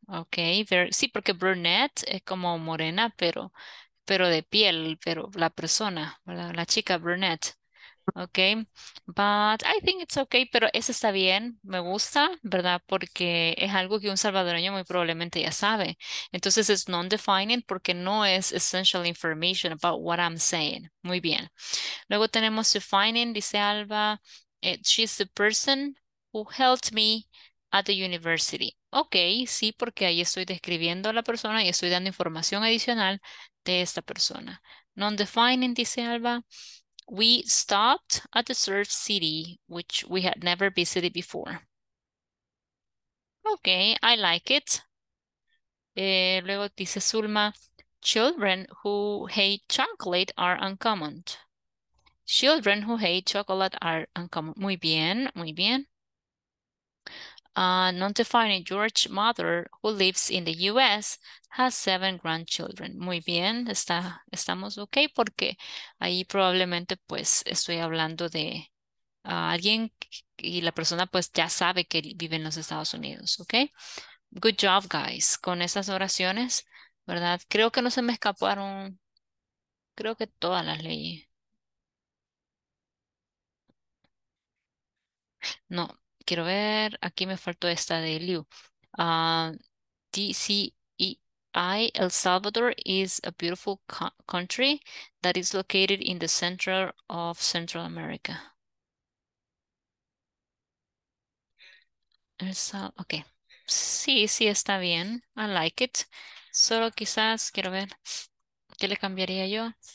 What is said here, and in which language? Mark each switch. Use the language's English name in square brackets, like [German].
[English] Okay, very, [Spanish] sí, porque brunette es como morena, pero de piel, pero la persona, ¿verdad? La chica brunette. [English] Okay, but I think it's okay, [Spanish] pero eso está bien, me gusta, ¿verdad? Porque es algo que un salvadoreño muy probablemente ya sabe. Entonces, [English] it's non-defining [Spanish] porque no es [English] essential information about what I'm saying. [Spanish] Muy bien. Luego tenemos [English] defining, [Spanish] dice [English] Alba, she's the person who helped me at the university. [Spanish] Okay, sí, porque ahí estoy describiendo a la persona y estoy dando información adicional de esta persona. Non-defining, dice Alba. [English] We stopped at the surf city, which we had never visited before. Okay, I like it. [Spanish] Luego dice [English] Zulma, children who hate chocolate are uncommon. Children who hate chocolate are uncommon. [Spanish] Muy bien, muy bien. [English] non-defining George mother who lives in the US has 7 grandchildren. [Spanish] Muy bien, estamos ok porque ahí probablemente pues estoy hablando de alguien y la persona pues ya sabe que vive en los Estados Unidos, ok. [English] Good job, guys, [Spanish] con esas oraciones, ¿verdad? Creo que no se me escaparon, creo que todas las leí. No, quiero ver, aquí me faltó esta de Liu. [English] DCEI, El Salvador is a beautiful country that is located in the center of Central America. [Spanish] Ok, sí, sí está bien, [English] I like it. [Spanish] Solo quizás, quiero ver, ¿qué le cambiaría yo?